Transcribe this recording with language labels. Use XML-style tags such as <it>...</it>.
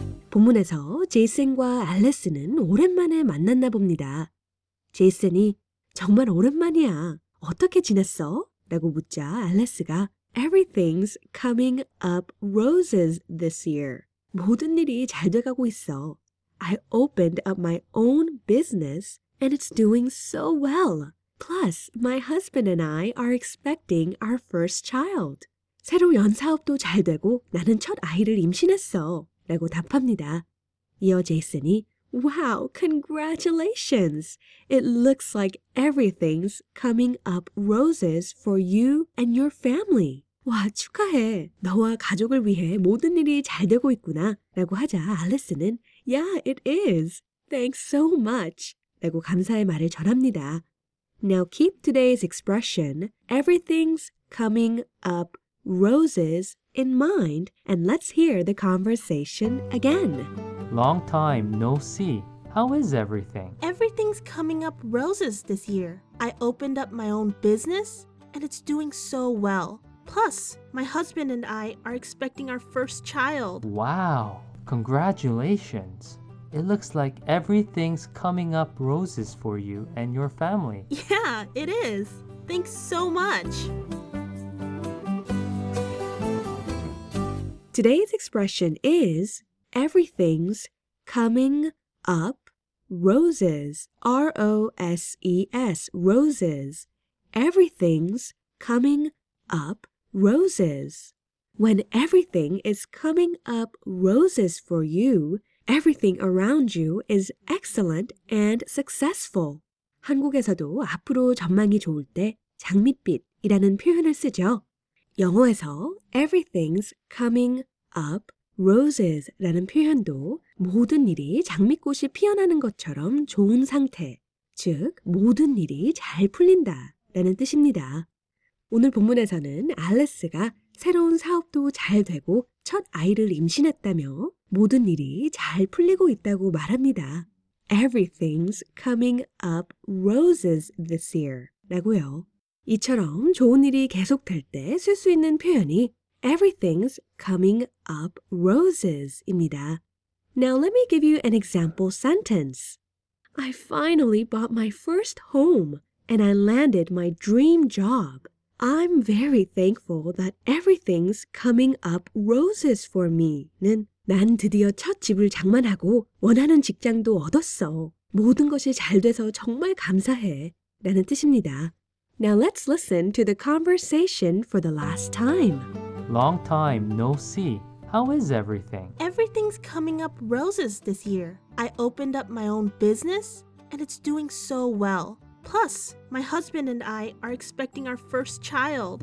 <ko>본문에서 제이슨과 알리스는 오랜만에 만났나 봅니다. 제이슨이 정말 오랜만이야. 어떻게 지냈어? 라고 묻자 알리스가</ko> <en>Everything's coming up roses this year.</en> <ko>모든 일이 잘 돼가고 있어.</ko> <en>I opened up my own business and it's doing so well. Plus, my husband and I are expecting our first child.</en> <ko>새로 연사업도 잘 되고 나는 첫 아이를 임신했어. 라고 답합니다. 이어 제이슨이</ko> <en>Wow, congratulations! It looks like everything's coming up roses for you and your family.</en> <ko>와, 축하해. 너와 가족을 위해 모든 일이 잘 되고 있구나. 라고 하자 알리스는</ko> <en>Yeah, it is. Thanks so much.</en> <ko>라고 감사의 말을 전합니다.</ko> <en>Now keep today's expression, everything's coming up roses, in mind, and let's hear the conversation again. Long time no see. How is everything? Everything's coming up roses this year. I opened up my own business, and it's doing so well. Plus, my husband and I are expecting our first child. Wow. Congratulations. It looks like everything's coming up roses for you and your family. Yeah, it is. Thanks so much. Today's expression is everything's coming up Roses, R-O-S-E-S, roses. Everything's coming up roses. When everything is coming up roses for you, everything around you is excellent and successful.</en> <ko>한국에서도 앞으로 전망이 좋을 때 장밋빛이라는 표현을 쓰죠. 영어에서</ko> <en>everything's coming up roses</en> <ko>라는 표현도 모든 일이 장미꽃이 피어나는 것처럼 좋은 상태, 즉 모든 일이 잘 풀린다라는 뜻입니다. 오늘 본문에서는 알레스가 새로운 사업도 잘 되고 첫 아이를 임신했다며 모든 일이 잘 풀리고 있다고 말합니다.</ko> <en>Everything's coming up roses this year</en> <ko>라고요. 이처럼 좋은 일이 계속될 때 쓸 수 있는 표현이</ko> <en>Everything's coming up roses</en> <ko>입니다.</ko> <en>Now let me give you an example sentence. I finally bought my first home and I landed my dream job. I'm very thankful that everything's coming up roses for me.</en> <ko>는 난 드디어 첫 집을 장만하고 원하는 직장도 얻었어. 모든 것이 잘 돼서 정말 감사해. 라는 뜻입니다.</ko> <en>Now let's listen to the conversation for the last time. Long time no see. How is everything? Everything's coming up roses this year. I opened up my own business and it's doing so well. Plus, my husband and I are expecting our first child.</en>